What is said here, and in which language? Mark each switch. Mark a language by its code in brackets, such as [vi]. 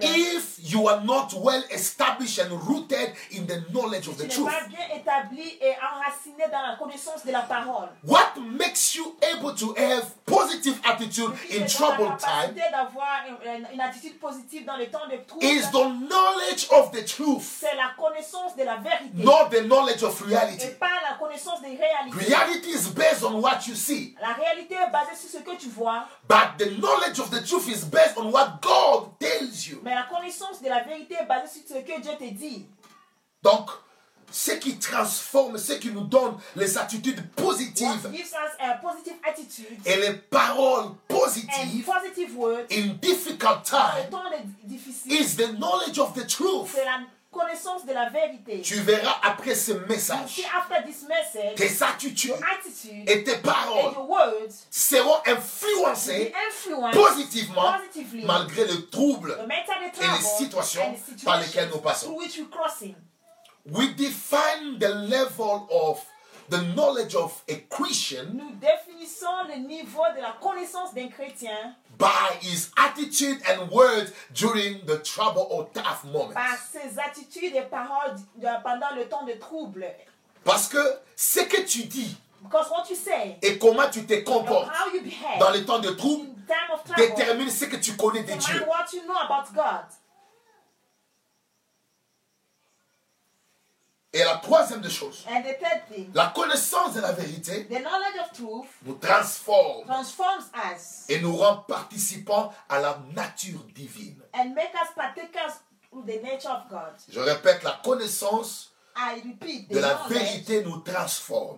[en] if you are not well established and rooted in the knowledge of the truth. [fr] Tu n'es pas bien établi et enraciné dans la connaissance de la parole. [en] What makes you able to have positive attitude in troubled time [fr] une attitude positive dans le temps de trouble [en] is the knowledge of the truth. [fr] C'est la connaissance de la vérité. [en] Not the knowledge of reality. [fr] Et pas la connaissance des réalités. [en] Reality is based on what you see. [fr] La réalité est basée sur ce que tu vois. [en] But the knowledge of the truth is based on what God tells you. [fr] Mais la connaissance de la vérité est basée sur ce que Dieu te dit. Donc, ce qui transforme, ce qui nous donne les attitudes positives. [en] What gives us a positive attitude. [fr] Et les paroles positives. [en] And positive words. In difficult times. [fr] Dans les temps difficiles. [en] Is the knowledge of the truth. [fr] C'est la connaissance de la vérité. Tu verras après ce message. [en] See after this message. [fr] Tes attitudes. [en] Your attitude. [fr] Et tes paroles. [en] And your words. [fr] Seront influencées. [en] Influenced. [fr] Positivement. [en] Positively. [fr] Malgré le trouble. [en] The mental trouble. [fr] Et les situations par lesquelles nous passons. [en] Through which we crossing. We define the level of the knowledge of a Christian. [fr] Nous définissons le niveau de la connaissance d'un chrétien. [en] By his attitude and words during the trouble or tough moments. [fr] Par ses attitudes et paroles pendant le temps de trouble. Parce que ce que tu dis. [en] Because what you say. [fr] Et comment tu te comportes. [en] How you behave. [fr] Dans les temps de trouble. [en] In time of trouble. [fr] Détermine ce que tu connais de Dieu. [en] Determine what you know about God. [fr] Et la troisième des choses. [en] And the third thing. [fr] La connaissance de la vérité. [en] The knowledge of truth. [fr] Nous transforme. [en] Transforms us. [fr] Et nous rend participants à la nature divine. [en] And make us partakers of the nature of God. [fr] Je répète, la connaissance. [en] I repeat. [fr] De la vérité nous transforme.